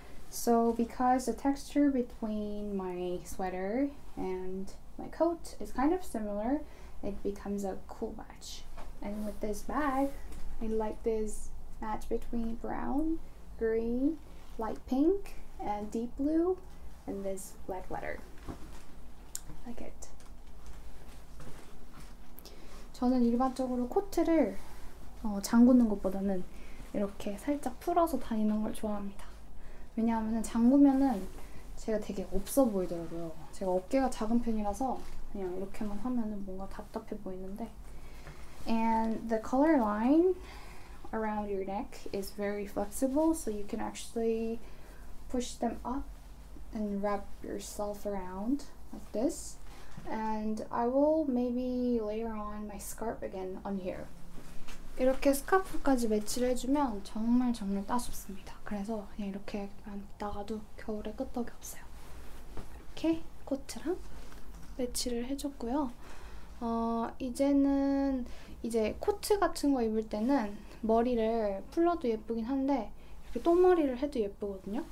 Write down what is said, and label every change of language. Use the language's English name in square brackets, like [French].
[English] So because the texture between my sweater and my coat is kind of similar, it becomes a cool match. And with this bag, I like this match between brown, green, light pink, and deep blue, and this black leather. I like it. [Korean] 저는 일반적으로 코트를 잠그는 것보다는 이렇게 살짝 풀어서 다니는 걸 좋아합니다. 왜냐하면 잠그면은 제가 되게 없어 보이더라고요. 제가 어깨가 작은 편이라서 그냥 이렇게만 하면은 뭔가 답답해 보이는데. [English] And the color line around your neck is very flexible, so you can actually push them up and wrap yourself around like this. And I will maybe layer on my scarf again on here. [Korean] 이렇게 스카프까지 매치를 해주면 정말 정말 따숩습니다. 그래서 그냥 이렇게 나가도 겨울에 끄떡이 없어요. 이렇게 코트랑 매치를 해줬고요. 이제는 이제 코트 같은 거 입을 때는 머리를 풀어도 예쁘긴 한데 이렇게 똥머리를 해도 예쁘거든요.